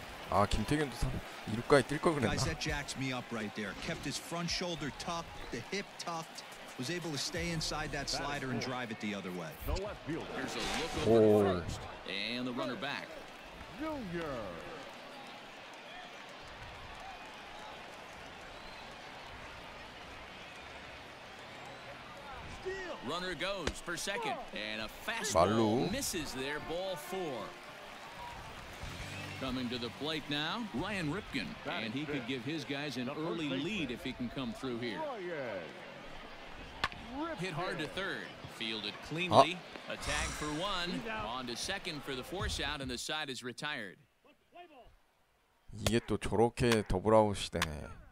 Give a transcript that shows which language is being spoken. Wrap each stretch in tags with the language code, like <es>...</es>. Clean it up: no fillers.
<ko>아, 김태균도 이루까에 뛸 걸 그랬나?</ko> <en>Guys, that jacks me up right there. Kept his front shoulder tucked, the hip tucked. Was able to stay inside that slider and drive it the other way. The left fielder. Here's a look over the first. And the runner back. Junior. Runner goes for second. And a fastball misses their ball four. Coming to the plate now, Ryan Ripken, and he could give his guys an early lead if he can come through here. Hit hard to third, fielded cleanly, a tag for one, on to second for the force out, and the side is retired.</en> <ko>이게 또 저렇게 더블 아웃이 되네.</ko>